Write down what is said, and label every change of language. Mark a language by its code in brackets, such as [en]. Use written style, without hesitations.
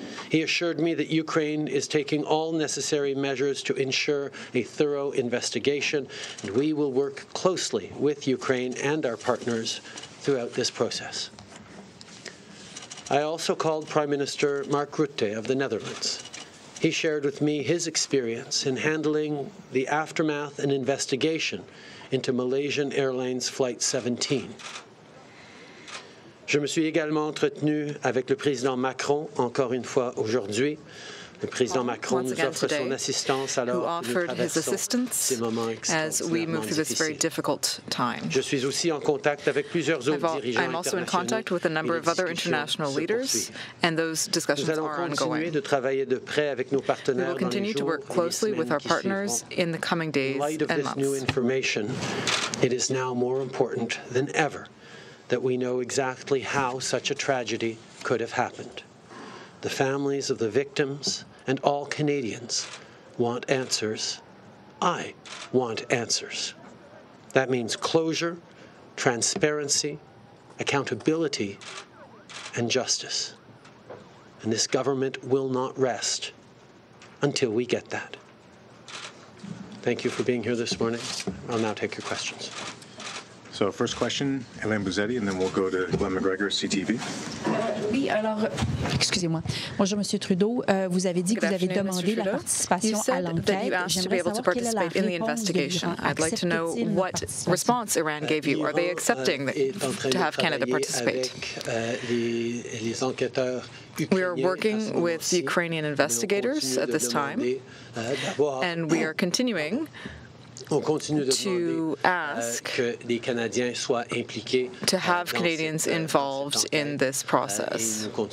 [en] He assured me that Ukraine is taking all necessary measures to ensure a thorough investigation, and we will work closely with Ukraine and our partners throughout this process. I also called Prime Minister Mark Rutte of the Netherlands. He shared with me his experience in handling the aftermath and investigation into Malaysian Airlines Flight 17. [fr] Je me suis également entretenu avec le président Macron encore une fois aujourd'hui. Le président Macron nous offre son assistance alors que nous traversons ces moments extraordinairement difficiles. Je suis aussi en contact avec plusieurs autres dirigeants internationaux et les discussions se poursuivent. Nous allons continuer de travailler de près avec nos partenaires dans les jours et les semaines qui suivront. [en] In light of this new information, it is now more important than ever that we know exactly how such a tragedy could have happened. The families of the victims and all Canadians want answers. I want answers. That means closure, transparency, accountability, and justice. And this government will not rest until we get that. Thank you for being here this morning. I'll now take your questions. So, first question, Hélène Buzzetti, and then we'll go to Glenn McGregor, CTV. [fr] Oui, alors, excusez-moi. Bonjour, Monsieur Trudeau. Vous avez dit que vous avez demandé la participation à l'enquête. [en] You said that you asked to be able to participate in the investigation. I'd like to know what response Iran gave you. Are they accepting to have Canada participate? [fr] Les enquêteurs. [en] We are working with the Ukrainian investigators at this time, and we are continuing to ask to have Canadians involved in this process.